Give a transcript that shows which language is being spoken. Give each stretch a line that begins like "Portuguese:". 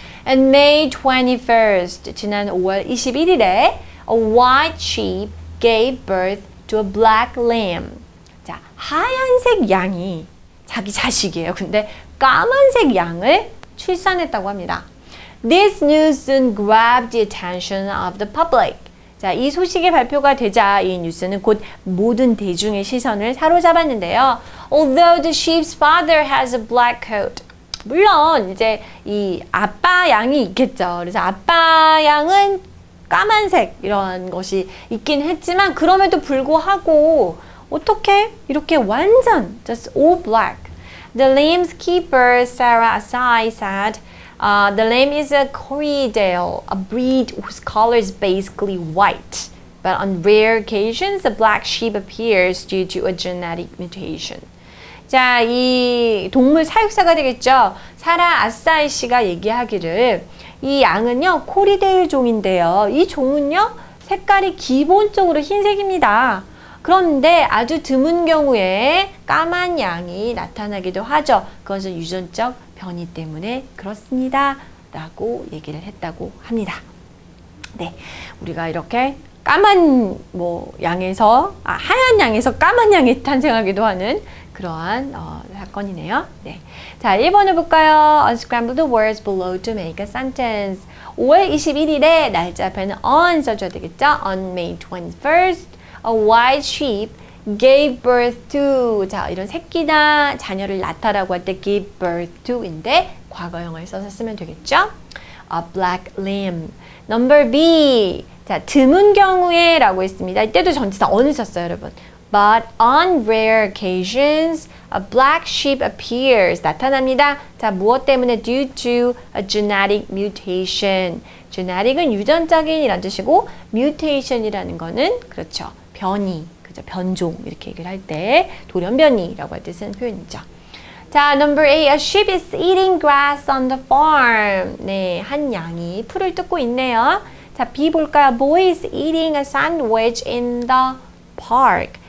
English: On May 21st,
Korean: 지난 5월 21일에
English: a white sheep gave birth to a black lamb.
Korean: 자, 하얀색 양이 자기 자식이에요. 근데 까만색 양을 출산했다고 합니다.
English: This news soon grabbed the attention of the public.
Korean: 자, 이 소식이 발표가 되자 이 뉴스는 곧 모든 대중의 시선을 사로잡았는데요.
English: Although the sheep's father has a black coat.
Korean: 물론 이제 이 아빠 양이 있겠죠. 그래서 아빠 양은 까만색 이런 것이 있긴 했지만 그럼에도 불구하고 어떻게 이렇게 완전
English: just all black. The lamb's keeper Sarah Asai said the lamb is a Corriedale, a breed whose color is basically white. But on rare occasions, a black sheep appears due to a genetic mutation.
Korean: 자, 이 동물 사육사가 되겠죠. 사라 아사이 씨가 얘기하기를 이 양은요, 코리데일 종인데요. 이 종은요, 색깔이 기본적으로 흰색입니다. 그런데 아주 드문 경우에 까만 양이 나타나기도 하죠. 그것은 유전적 변이 때문에 그렇습니다. 라고 얘기를 했다고 합니다. 네. 우리가 이렇게 까만, 뭐, 양에서, 아, 하얀 양에서 까만 양이 탄생하기도 하는 그러한, 사건이네요. 네. 자, 1번을 볼까요?
English: Unscramble the words below to make a sentence.
Korean: 5월 21일에 날짜 앞에는 on 써줘야 되겠죠?
English: On May 21st, a white sheep gave birth to
Korean: 자 이런 새끼나 자녀를 낳다라고 할 때 give birth to인데 과거형을 써서 쓰면 되겠죠?
English: A black lamb. Number B.
Korean: 자 드문 경우에라고 했습니다. 이때도 전치사 on 썼어요, 여러분.
English: But on rare occasions, a black sheep appears.
Korean: 나타납니다. 자 무엇 때문에
English: due to a genetic mutation.
Korean: Genetic은 유전적인이란 뜻이고 mutation이라는 거는 그렇죠 변이. 변종 이렇게 얘기를 할 때 돌연변이라고 할 때 쓰는 표현이죠.
English: 자, number A, a sheep is eating grass on the farm.
Korean: 네, 한 양이 풀을 뜯고 있네요. 자, B 볼까요?
English: Boy is eating a sandwich in the park.